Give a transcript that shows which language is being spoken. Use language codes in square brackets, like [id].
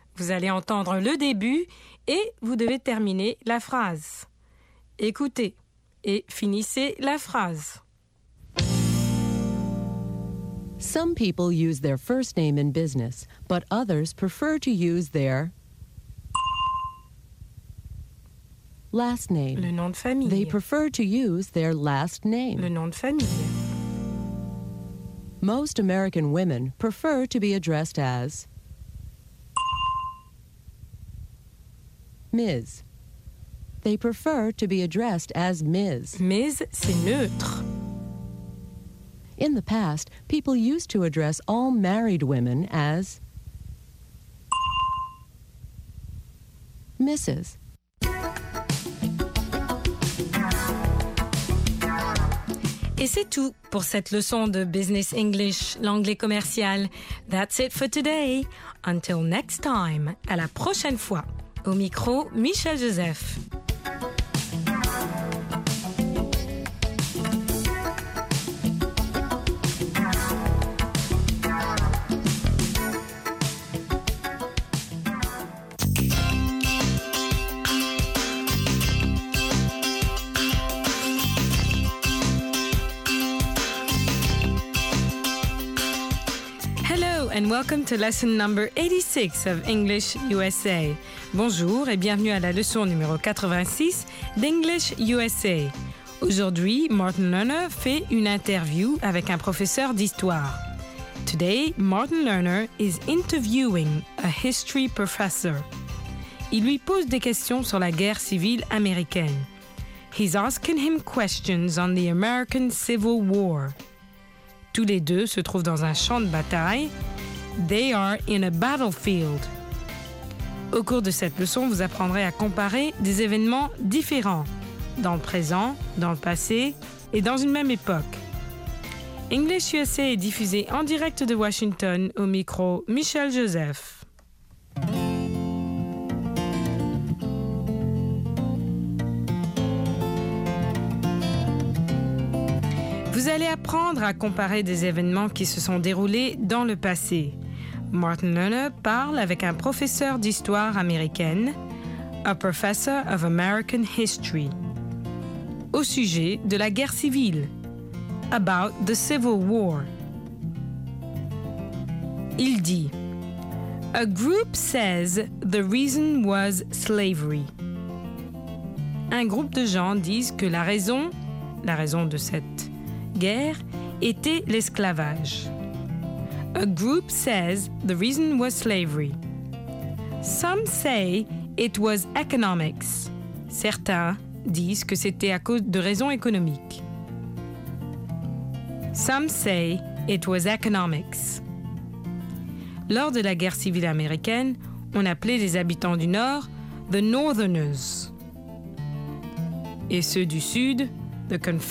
[fr] Vous allez entendre le début et vous devez terminer la phrase. Écoutez et finissez la phrase. [en] Some people use their first name in business, but others prefer to use their last name. [fr] Le nom de famille. [en] They prefer to use their last name. [fr] Le nom de famille. [en] Most American women prefer to be addressed as Ms. They prefer to be addressed as Ms. [fr] Ms, c'est neutre. [en] In the past, people used to address all married women as Mrs. [fr] Et c'est tout pour cette leçon de Business English, l'anglais commercial. [en] That's it for today. Until next time, [fr] à la prochaine fois. Au micro, Michel Joseph. [en] Hello and welcome to lesson number 86 of English USA. [fr] Bonjour et bienvenue à la leçon numéro 86 d'English USA. Aujourd'hui, Martin Lerner fait une interview avec un professeur d'histoire. [en] Today, Martin Lerner is interviewing a history professor. [fr] Il lui pose des questions sur la guerre civile américaine. [en] He's asking him questions on the American Civil War. [fr] Tous les deux se trouvent dans un champ de bataille. [en] They are in a battlefield. [fr] Au cours de cette leçon, vous apprendrez à comparer des événements différents, dans le présent, dans le passé et dans une même époque. English USA est diffusé en direct de Washington, au micro Michel Joseph. Vous allez apprendre à comparer des événements qui se sont déroulés dans le passé. Martin Lerner parle avec un professeur d'histoire américaine, [en] a professor of American history, [fr] au sujet de la guerre civile, [en] about the Civil War. [fr] Il dit, [en] a group says the reason was slavery. [fr] Un groupe de gens disent que la raison de cette guerre était l'esclavage. [en] A group says the reason was slavery. Some say it was economics. [fr] Certains disent que c'était à cause de raisons économiques. [en] Some say it was economics. [fr] Lors de la guerre civile américaine, on appelait les habitants du Nord the Northerners. Et ceux du Sud, the Confederates.